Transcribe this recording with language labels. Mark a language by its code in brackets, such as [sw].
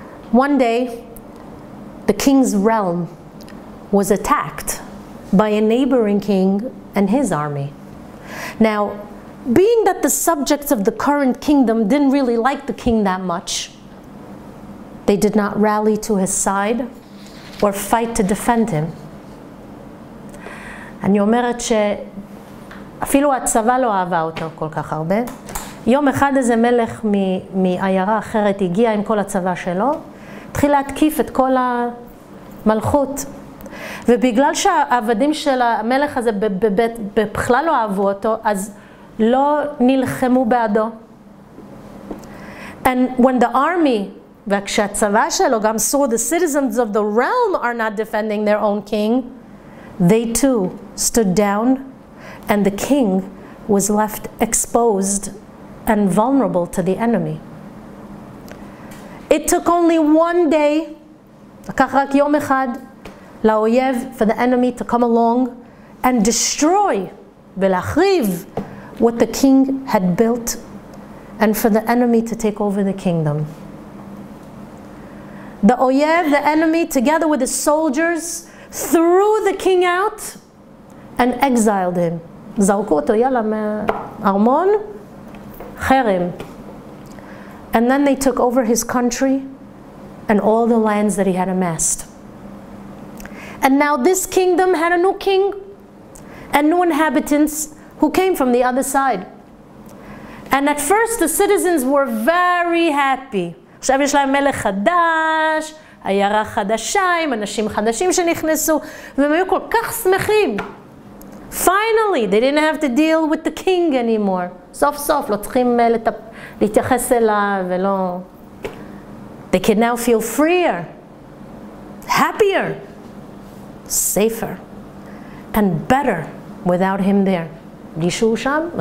[en] One day, the king's realm was attacked by a neighboring king and his army. Now, being that the subjects of the current kingdom didn't really like the king that much, they did not rally to his side or fight to defend him. [he] אני אומרת שאפילו הצבא לא אהבה אותו כל כך הרבה. יום אחד איזה מלך מעיירה אחרת הגיע עם כל הצבא שלו, התחיל להתקיף את כל המלכות. ובגלל שהעבדים של המלך הזה בכלל לא אהבו אותו, אז לא נלחמו בעדו. [en] And when the army, [he] וכשהצבא שלו, גם [en] so the citizens of the realm are not defending their own king, they too stood down, and the king was left exposed and vulnerable to the enemy. It took only one day, [he] לקח רק יום אחד, לאויב, [en] for the enemy to come along and destroy, [he] ולהחריב, [en] what the king had built, and for the enemy to take over the kingdom. The Oyev, the enemy, together with his soldiers, threw the king out and exiled him. [he] זרקו אותו, יאללה, מהארמון, חרם. [en] And then they took over his country and all the lands that he had amassed. And now this kingdom had a new king and new inhabitants who came from the other side. And at first the citizens were very happy. [he] עכשיו יש להם מלך חדש, עיירה חדשיים, אנשים חדשים שנכנסו, והם היו כל כך שמחים. [en] Finally, they didn't have to deal with the king anymore. [he] סוף סוף, לא צריכים להתייחס אליו ולא... [en] They can now feel freer, happier, safer, and better without him there. [he] גישו שם?